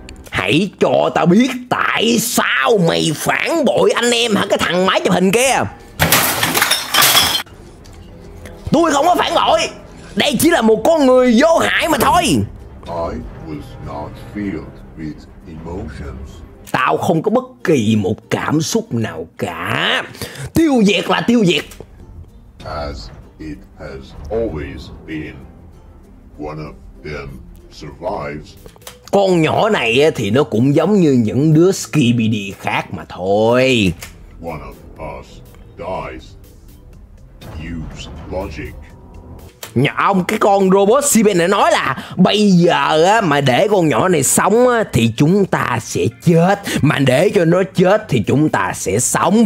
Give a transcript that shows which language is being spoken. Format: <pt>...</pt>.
<vi>Hãy cho tao biết tại sao mày phản bội anh em hả cái thằng máy chụp hình kia. Tôi không có phản bội. Đây chỉ là một con người vô hại mà thôi.</vi> <en>I was not filled with emotions.</en> <vi>Tao không có bất kỳ một cảm xúc nào cả. Tiêu diệt là tiêu diệt.</vi> <en>As it has always been, one of them survives.</en> <vi>Con nhỏ này thì nó cũng giống như những đứa Skibidi khác mà thôi.</vi> <en>One of us dies. Use logic.</en> <vi>Nhà ông, cái con robot Siben đã nói là bây giờ mà để con nhỏ này sống thì chúng ta sẽ chết, mà để cho nó chết thì chúng ta sẽ sống.</vi>